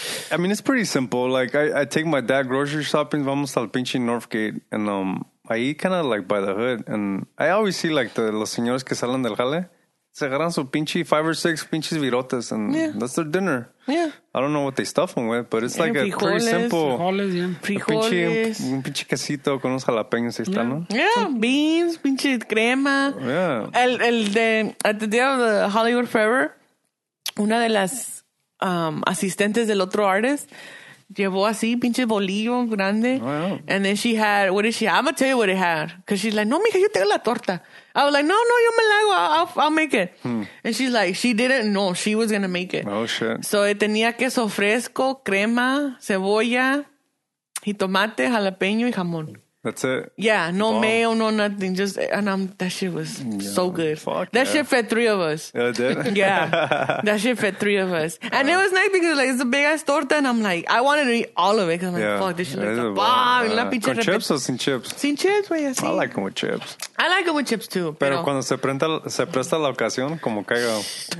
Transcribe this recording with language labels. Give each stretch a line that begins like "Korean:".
English: I mean, it's pretty simple. Like I take my dad grocery shopping.
Spanish: Vamos al pinche
English: Northgate and I eat kind of like by the hood, and I always see like the
Spanish: los señores que salen del jale, se agarran su pinche
English: five or six
Spanish: pinches virotas,
English: and that's their dinner. Yeah. I don't know what they stuff them with, but it's like a pretty simple.
Spanish: Frijoles, frijoles. Un pinche quesito con unos jalapeños, ahí está, ¿no?
English: Yeah, beans,
Spanish: pinche crema.
English: Yeah. At the day of the Hollywood Forever,
Spanish: una de las asistentes del otro artist, llevó así, pinche bolillo grande.
English: Wow. And then she had, what did she have? I'm going to tell you what it had. Because she's like,
Spanish: no, mija, yo tengo la torta.
English: I was like,
Spanish: no, no, yo me la hago.
English: I'll make it. Hmm. And she's like, she didn't know. She was going to make it. Oh, shit. So it
Spanish: tenía queso fresco, crema, cebolla, jitomate, jalapeño y jamón.
English: That's it? Yeah, no mayo, no nothing. Just, and that shit was so good. Fuck that shit fed three of us. Yeah, it did? Yeah. That shit fed three of us. And it was nice because, like, it's a big ass torta, and I'm like, I wanted to eat all of it because I'm like, fuck, this shit looks a bomb.
Spanish: Con chips or sin chips? Sin chips, güey.
English: I like them with chips. I like them with chips too.
Spanish: Pero cuando se presta la ocasión, como caiga.